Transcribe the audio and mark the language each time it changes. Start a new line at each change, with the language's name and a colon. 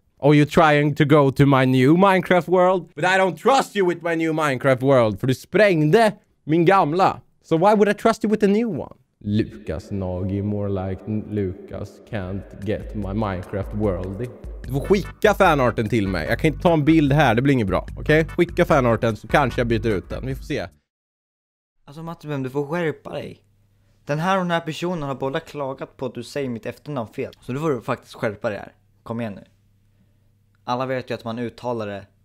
English: Are you trying to go to my new Minecraft world? But I don't trust you with my new Minecraft world.
Swedish: För du sprängde min gamla.
English: So why would I trust you with a new one? Lucas Nagy, more like Lucas can't get my Minecraft world.
Swedish: Du får skicka fanarten till mig. Jag kan inte ta en bild här, det blir inget bra. Okej, okay? Skicka fanarten så kanske jag byter ut den. Vi får se. Alltså Matti, du får skärpa dig. Den här och den här personen har båda klagat på att du säger mitt efternamn fel. Så du får faktiskt skärpa dig här. Kom igen nu. Alla vet ju att man uttalar det.